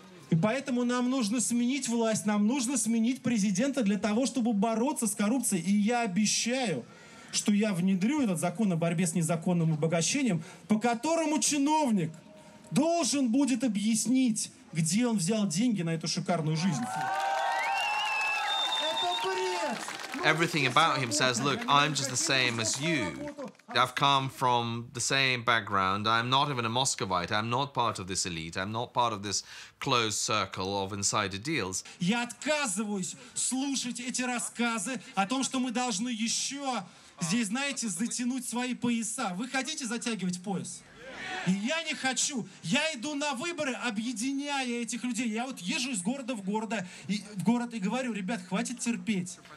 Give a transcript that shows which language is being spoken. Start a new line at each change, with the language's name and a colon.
Russian: И поэтому нам нужно сменить власть, нам нужно сменить президента для того, чтобы бороться с коррупцией. И я обещаю, что я внедрю этот закон о борьбе с незаконным обогащением, по которому чиновник должен будет объяснить, где он взял деньги на эту шикарную жизнь. Это бред!
English: Everything about him says, look, I'm just the same as you. I've come from the same background. I'm not even a Moscovite. I'm not part of this elite. I'm not part of this closed circle of insider deals.
Russian: Я отказываюсь слушать эти рассказы о том, что мы должны еще здесь, знаете, затянуть свои пояса. Вы хотите затягивать пояс? Я не хочу. Я иду на выборы, объединяя этих людей. Я вот езжу из города в города и в город и говорю: ребят, хватит терпеть.